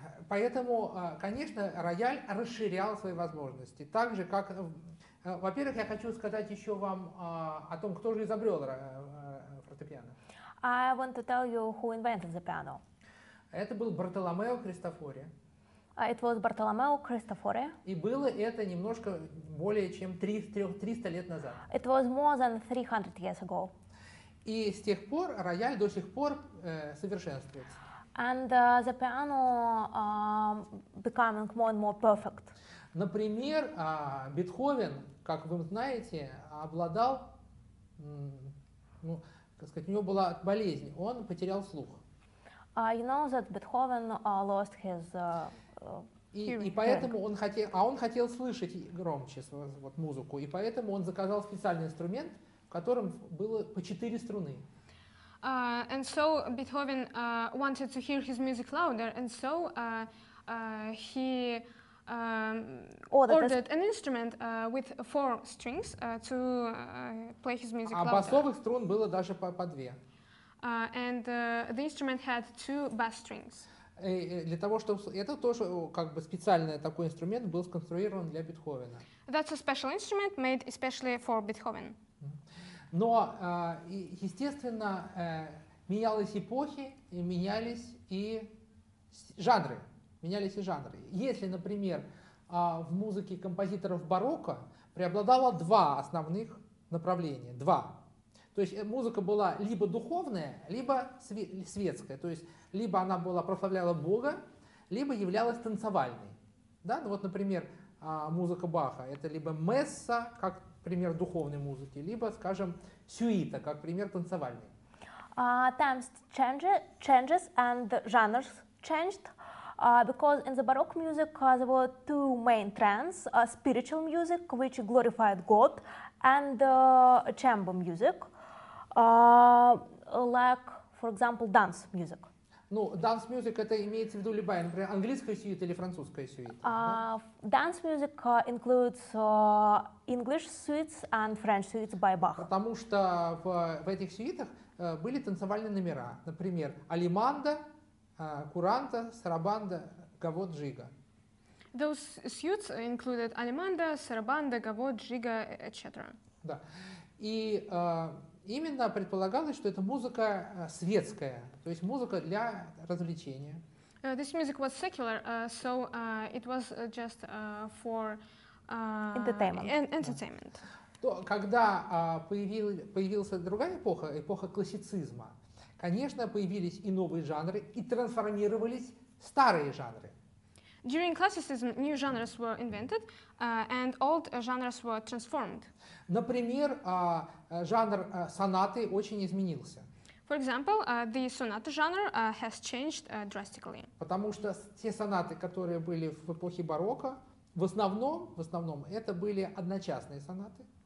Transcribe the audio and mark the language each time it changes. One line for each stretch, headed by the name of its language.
Russian: Поэтому, конечно, рояль расширял свои возможности. Так же, как... Во-первых, я хочу сказать еще вам о том, кто же изобрел фортепиано.
English: I want to tell you who invented the piano.
Russian: Это был Бартоломео Кристофори.
English: It was Bartolomeo Cristofori.
Russian: И было это немножко более чем 300 лет назад.
English: It was more than 300 years ago.
Russian: И с тех пор рояль до сих пор совершенствуется.
English: And the piano becoming more and more perfect.
Russian: Например, Бетховен, как вы знаете, обладал, ну, так сказать, у него была болезнь, он потерял слух.
English: You know that Beethoven lost his
Russian: И поэтому он хотел, а он хотел слышать громче вот музыку, и поэтому он заказал специальный инструмент, в котором было по 4 струны.
English: And so Beethoven wanted to hear his music louder, and so he ordered an instrument with 4 strings to play his music louder.
Russian: А басовых струн было даже по 2.
English: And the instrument had 2 bass strings.
Russian: И для того, чтобы это тоже как бы специальный такой инструмент был сконструирован для Бетховена.
English: That's a special instrument made especially for Beethoven.
Russian: Но, естественно, менялись эпохи, и менялись и жанры. Если, например, в музыке композиторов барокко преобладало 2 основных направления, 2. То есть музыка была либо духовная, либо светская. То есть либо она была, прославляла Бога, либо являлась танцевальной. Да? Ну, вот, например, музыка Баха — это либо месса, как пример духовной музыки, либо, скажем, сюита, как пример танцевальный.
English: Times changes and genres changed because in the Baroque music there were two main trends: spiritual music, which glorified God, and chamber music, like, for example, dance music.
Russian: Ну,
English: dance music
Russian: это имеется в виду любая, например, английская сюита или французская сюита?
English: Dance music includes English suites and French suites by Bach.
Russian: Потому что в этих сюитах были танцевальные номера, например, Алиманда, Куранта, Сарабанда, Гавот, Джига.
English: Those suites included Алиманда, Сарабанда, Гавот, Джига, etc.
Russian: Да. И именно предполагалось, что это музыка светская, то есть музыка для развлечения.
English: This music was secular, so it was just for entertainment. Entertainment. Да.
Russian: То, когда появилась другая эпоха, эпоха классицизма, конечно, появились и новые жанры, и трансформировались старые жанры.
English: During classicism, new genres were invented, and old genres were transformed.
Russian: Например, жанр сонаты очень изменился.
English: For example, the sonata genre has changed drastically.
Russian: Потому что те сонаты, которые были в эпохе барокко, в основном это были одночасные сонаты.